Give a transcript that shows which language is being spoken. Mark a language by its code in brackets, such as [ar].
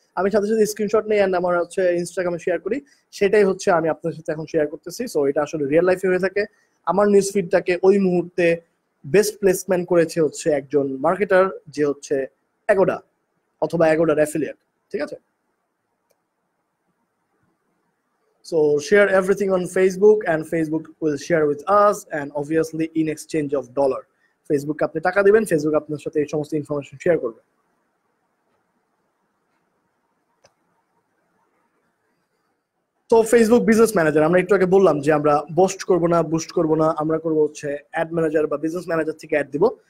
[bn] আমি সাথে সাথে স্ক্রিনশট নিই অ্যান্ড আমার হচ্ছে ইনস্টাগ্রামে শেয়ার করি, সেটাই হচ্ছে আমি আপনার সাথে এখন শেয়ার করতেছি। সো এটা আসলে রিয়েল লাইফে হয়ে থাকে। আমার নিউজ ফিডটাকে ওই মুহূর্তে বেস্ট প্লেসমেন্ট করেছে হচ্ছে একজন মার্কেটার যে হচ্ছে অ্যাগোডা অথবা অ্যাগোডার অ্যাফিলিয়েট, ঠিক আছে। [en] So share everything on Facebook and Facebook will share with us and obviously in exchange of dollar. [bn] Facebook আপনি টাকা দিবেন, Facebook আপনার সাথে এই সমস্ত ইনফরমেশন শেয়ার করবে। তো ফেসবুক বিজনেস ম্যানেজার আমরা একটু আগে বললাম যে আমরা বোস্ট করব না, বুস্ট করব না, আমরা করব হচ্ছে অ্যাড ম্যানেজার বা বিজনেস ম্যানেজার থেকে অ্যাড দিব।